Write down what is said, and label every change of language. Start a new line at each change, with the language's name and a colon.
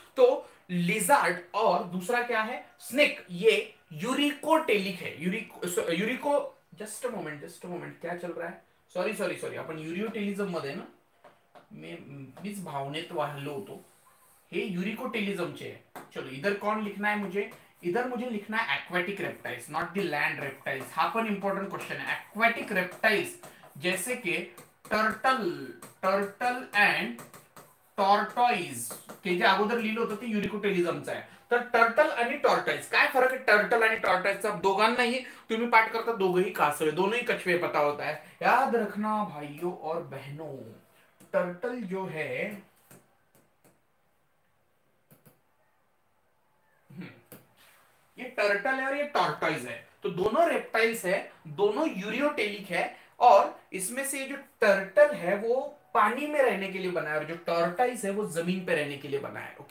Hindi: तो लिजार्ड और दूसरा क्या है, स्नेक, ये यूरिकोटेलिक है, यूरिको, जस्ट अ मोमेंट, क्या चल रहा है, सॉरी सॉरी सॉरी,
Marathi: अपन यूरियोटेलिज्म मध्ये ना, मीच भावनेत वाहलो होतो, हे युरिकोटेलिज्म चे।
Hindi: चलो, इधर कौन लिखना है मुझे, इधर मुझे लिखना है aquatic reptiles, not the land reptiles. हाँ पर इंपॉर्टेंट क्वेश्चन है, एक्वेटिक रेप्टाइल्स जैसे के टर्टल, टर्टल एंड टॉर्टॉइज के
Marathi: जे अगोदर लिहिलं होतं ते युरिकोटेलिझमचं आहे. तर टर्टल आणि टॉर्टॉइज काय फरक आहे, टर्टल आणि टॉर्टॉइज दोघांनाही तुम्ही पाठ करता दोघही कासवे,
Hindi: दोनही कछवे पता होता है, याद रखना भाइयों और बहनों. टर्टल जो है ये टर्टल है और ये टॉर्टॉइज है, तो दोनों रेप्टाइल्स है, दोनों यूरियोटेलिक है, और इसमें से जो टर्टल है वो पानी में रहने के लिए बना है और जो टॉर्टॉइज है वो जमीन पे रहने के लिए बना है.